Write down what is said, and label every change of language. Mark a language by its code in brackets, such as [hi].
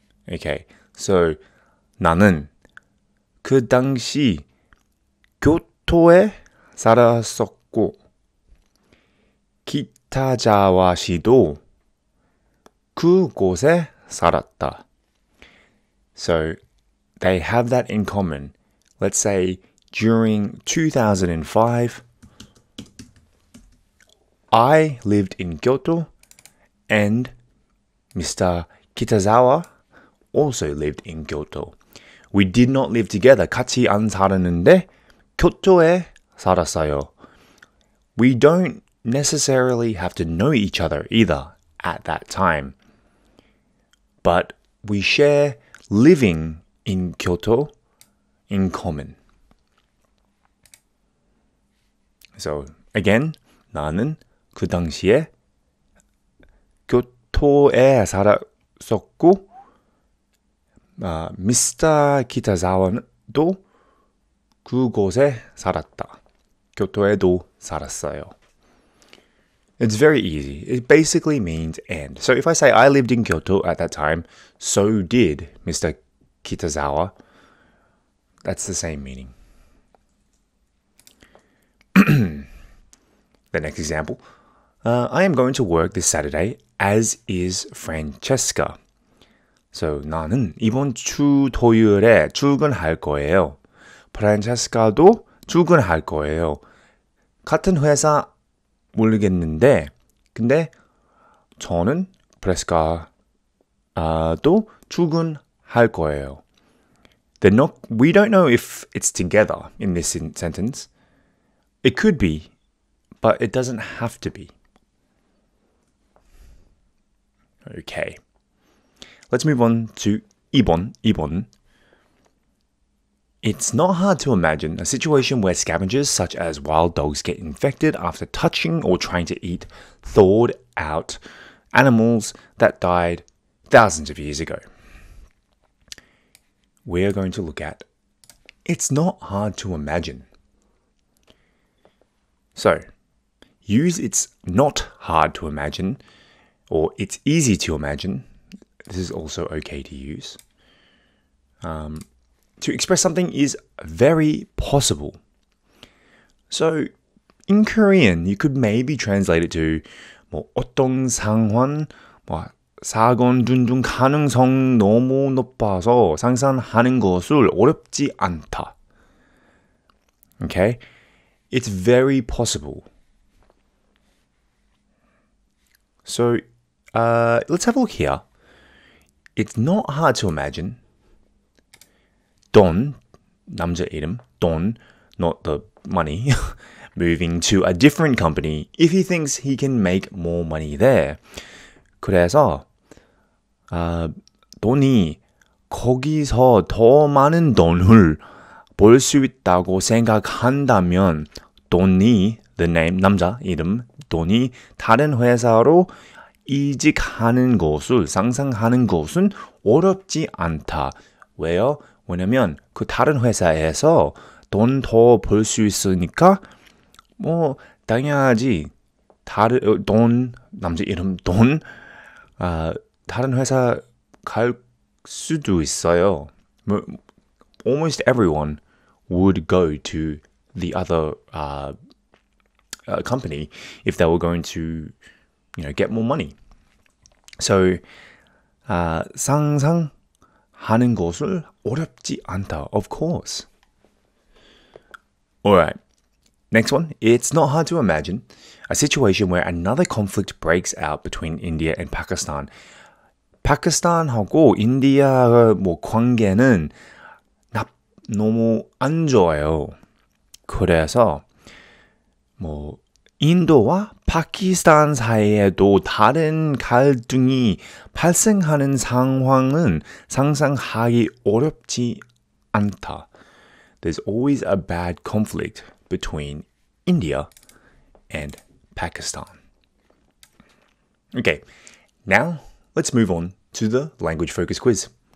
[en] Okay, so [ko] 나는 그 당시 교토에 살았었고 기타자와 씨도 그곳에 살았다. [en] So, they have that in common. Let's say, during 2005, I lived in Kyoto and Mr. Kitazawa also lived in Kyoto. We did not live together. [ko] 같이 안 살았는데 교토에 살았어요. [en] We don't necessarily have to know each other either at that time. But we share living in Kyoto in common. So again, [ko] 나는 그 당시에 교토에 살았었고, Mr. Kitazawa도 그곳에 살았다. 교토에도 살았어요. [en] It's very easy. It basically means and. So if I say I lived in Kyoto at that time, so did Mr. Kitazawa, that's the same meaning. The next example. I am going to work this Saturday, as is Francesca. [ko] So 나는 이번 주 토요일에 출근할 거예요. Francesca도 출근할 거예요. 같은 회사 모르겠는데, 근데 저는 프레스카도 출근할 거예요. [en] We don't know if it's together in this sentence. It could be, but it doesn't have to be. Okay. Let's move on to 2번. It's not hard to imagine a situation where scavengers such as wild dogs get infected after touching or trying to eat thawed out animals that died thousands of years ago. We're going to look at, it's not hard to imagine. So, use it's not hard to imagine, or it's easy to imagine. This is also okay to use. To express something is very possible. So, in Korean, you could maybe translate it to [ko] 뭐 어떤 상황, 뭐 사건 등등 가능성 너무 높아서 상상하는 것을 어렵지 않다. [en] Okay? It's very possible. So, let's have a look here. It's not hard to imagine. Don, [ko] 남자 이름, [en] Don, not the money, moving to a different company if he thinks he can make more money there. [ko] 그래서, 돈이 거기서 더 많은 돈을 벌 수 있다고 생각한다면 돈이, [en] the name, [ko] 남자 이름, 돈이 다른 회사로 이직하는 것을 상상하는 것은 어렵지 않다. 왜요? 왜냐면 그 다른 회사에서 돈 더 벌 수 있으니까 뭐 당연하지. 다른 돈, 남자 이름, 돈, 다른 회사 갈 수도 있어요. [en] Almost everyone would go to the other company if they were going to, you know, get more money. [ko] So, 상상하는 것을 어렵지 않다. [en] Of course. All right. Next one. It's not hard to imagine a situation where another conflict breaks out between India and Pakistan. [ko] 파키스탄하고 인디아 뭐 관계는 너무 안 좋아요. 그래서 뭐 인도와 파키스탄 사이에도 다른 갈등이 발생하는 상황은 상상하기 어렵지 않다. [en] There's always a bad conflict between India and Pakistan. Okay, now let's move on to the language focus quiz.